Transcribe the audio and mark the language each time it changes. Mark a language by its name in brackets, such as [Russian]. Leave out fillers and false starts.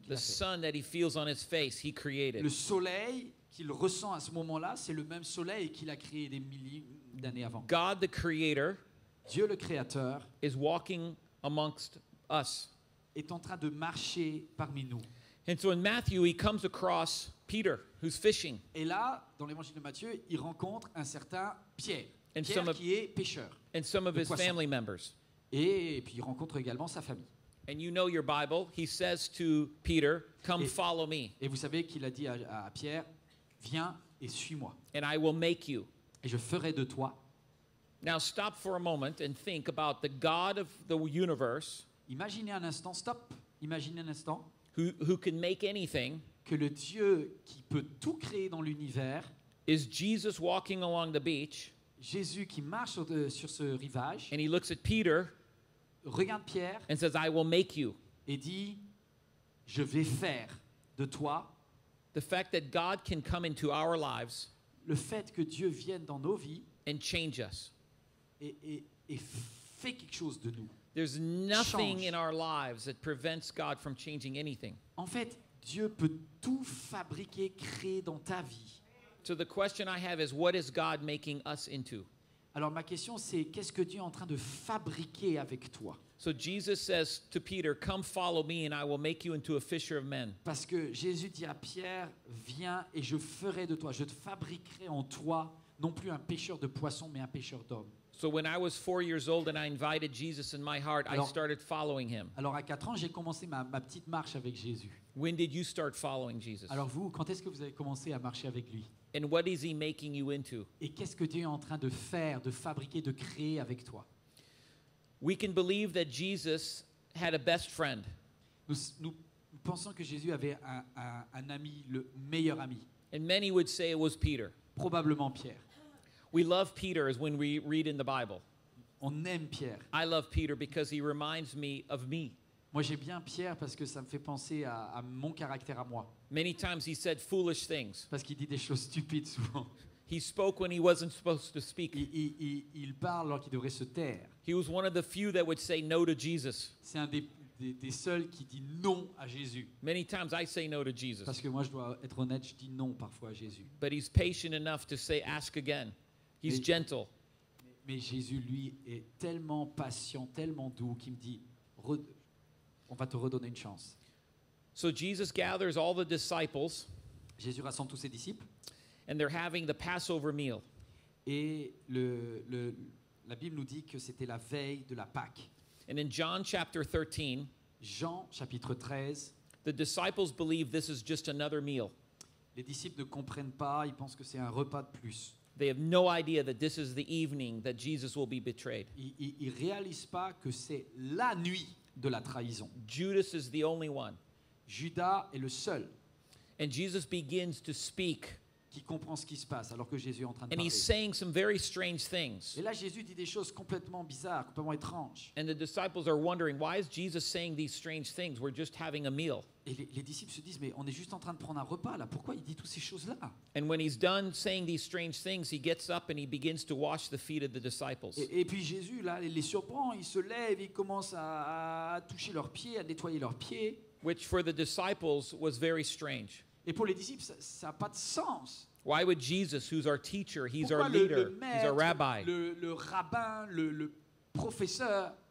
[English] The sun that he feels on his face, he created. [French] Le soleil qu'il ressent à ce moment-là, c'est le même soleil qu'il a créé des milliers d'années avant. [English] God the creator, [French] Dieu le créateur, [English] is walking amongst us. [French] Est en train de marcher parmi nous. [English] And so in Matthew, he comes across Peter, who's fishing. [French] Et là, dans l'évangile de Matthieu, il rencontre un certain Pierre qui est pêcheur. [English] And some of his family members. [French] Et puis il rencontre également sa famille. [English] And you know your Bible, he says to Peter, come follow me. [French] Et vous savez qu'il a dit à Pierre, viens et suis-moi. [English] And I will make you. [French] Et je ferai de toi. [English] Now stop for a moment and think about the God of the universe. [French] Imaginez un instant, stop. Imaginez un instant. [English] Who can make anything? [French] Que le Dieu qui peut tout créer dans l'univers. [English] Is Jesus walking along the beach? [French] Jésus qui marche sur ce rivage. [English] And he looks at Peter. [French] Regarde Pierre. [English] And says, "I will make you." [French] Et dit, je vais faire de toi. [English] The fact that God can come into our lives. [French] Le fait que Dieu vienne dans nos vies. [English] And change us. [French] Et fait quelque chose de nous. [English] There's nothing in our lives that prevents God from changing anything. [French] En fait, Dieu peut tout fabriquer, créer dans ta vie. [English] So the question I have is, what is God making us into? [French] Alors ma question c'est, qu'est-ce que Dieu est en train de fabriquer avec toi? [English] So Jesus says to Peter, come follow me and I will make you into a fisher of men. [French] Parce que Jésus dit à Pierre, viens et je ferai de toi, je te fabriquerai en toi, non plus un pêcheur de poissons, mais un pêcheur d'hommes. [English] So when I was 4 years old and I invited Jesus in my heart, [French] alors, [English] I started following him. [French] Alors à 4 ans, j'ai commencé ma petite marche avec Jésus. [English] When did you start following Jesus? [French] Alors vous, quand est-ce que vous avez commencé à marcher avec lui? [English] And what is he making you into? [French] Et qu'est-ce que Dieu est en train de faire, de fabriquer, de créer avec toi? [English] We can believe that Jesus had a best friend. [French] Nous pensons que Jésus avait un ami, le meilleur ami. [English] And many would say it was Peter. [French] probablement Pierre. [English] We love Peter as when we read in the Bible. [French] On aime Pierre. [English] I love Peter because he reminds me of me. [French] Moi j'aime bien Pierre parce que ça me fait penser à mon caractère à moi. [English] Many times he said foolish things. [French] Parce qu'il dit des choses stupides souvent. [English] He spoke when he wasn't supposed to speak. [French] Il parle alors qu'il devrait se taire. [English] He was one of the few that would say no to Jesus. [French] C'est un des seuls qui dit non à Jésus. [English] Many times I say no to Jesus. [French] Parce que moi je dois être honnête, je dis non parfois à Jésus. [English] But he's patient enough to say ask again. He's gentle. [French] Mais Jésus lui est tellement patient, tellement doux qu'il me dit on va te redonner une chance. [English] So Jesus gathers all the disciples. [French] Jésus rassemble tous ses disciples. [English] And they're having the Passover meal. [French] Et la Bible nous dit que c'était la veille de la Pâque. [English] And in John chapter 13, [French] Jean chapitre 13, [English] the disciples believe this is just another meal. [French] Les disciples ne comprennent pas, ils pensent que c'est un repas de plus. [English] They have no idea that this is the evening that Jesus will be betrayed. [French] Ils réalisent pas que c'est la nuit de la trahison. [English] Judas is the only one. [French] Judas est le seul. [English] And Jesus begins to speak. [French] Qui comprend ce qui se passe alors que Jésus est en train de [English] and [French] parler. [English] He's saying some very strange things. [French] Et là, Jésus dit des choses complètement bizarres, complètement étranges. [English] And the disciples are wondering, why is Jesus saying these strange things? We're just having a meal. [French] Et les disciples se disent, mais on est juste en train de prendre un repas là. Pourquoi il dit toutes ces choses là? [English] And when he's done saying these strange things, he gets up and he begins to wash the feet of the disciples. [French] Et puis Jésus là, il les surprend, il se lève, il commence à toucher leurs pieds, à nettoyer leurs pieds. [English] Which for the disciples was very strange. [French] Et pour les disciples, ça n'a pas de sens. [English] Why would Jesus, who's our teacher, he's [French] pourquoi [English] our leader, [French] le maître, [English] he's our rabbi, [French] le rabbin, le professeur,